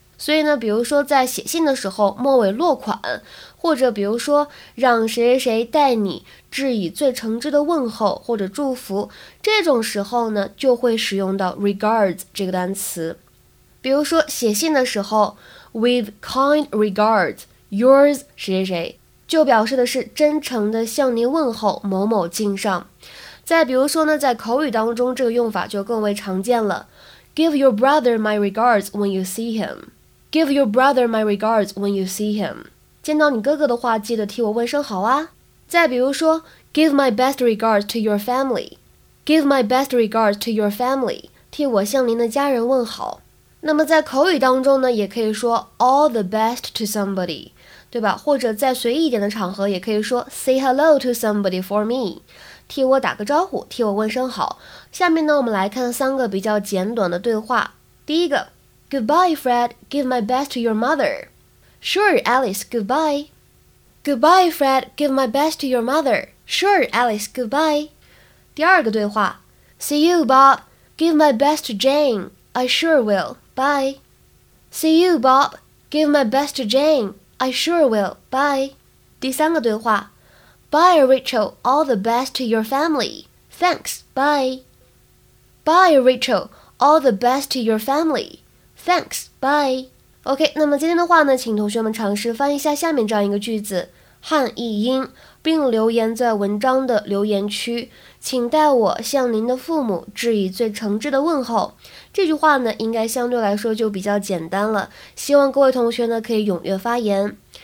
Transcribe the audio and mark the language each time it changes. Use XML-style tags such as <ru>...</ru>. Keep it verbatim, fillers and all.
<zh>所以呢，比如说在写信的时候末尾落款，或者比如说让谁谁代你致以最诚挚的问候或者祝福，这种时候呢就会使用到 regards 这个单词。比如说写信的时候</zh> <en>with kind regards, yours</en> <zh>谁谁谁，就表示的是真诚的向您问候某某敬上。再比如说呢，在口语当中这个用法就更为常见了。</zh> <en>Give your brother my regards when you see him Give your brother my regards when you see him</en> <zh>见到你哥哥的话记得替我问声好啊。再比如说</zh> <en>Give my best regards to your family Give my best regards to your family</en> <zh>替我向您的家人问好。那么在口语当中呢也可以说</zh> <en>All the best to somebody，</en> <zh>对吧？或者再随意一点的场合也可以说</zh> <en>Say hello to somebody for me，</en> <zh>替我打个招呼，替我问声好。下面呢我们来看三个比较简短的对话。第一个</zh> <en>Goodbye Fred, give my best to your mother. Sure Alice, goodbye. Goodbye Fred, give my best to your mother. Sure Alice, goodbye.</en> <zh>第二个对话</zh> <en>See you Bob, give my best to Jane. I sure will, bye. See you Bob, give my best to Jane. I sure will, bye.</en> <zh>第三个对话</zh> <en>Bye Rachel, all the best to your family. Thanks, bye. Bye Rachel, all the best to your family. Thanks, bye.</en> <zh>OK， 那么今天的话呢，请同学们尝试翻译一下下面这样一个句子，汉译英，并留言在文章的留言区。请代我向您的父母致以最诚挚的问候。这句话呢应该相对来说就比较简单了，希望各位同学呢可以踊跃发言。</zh>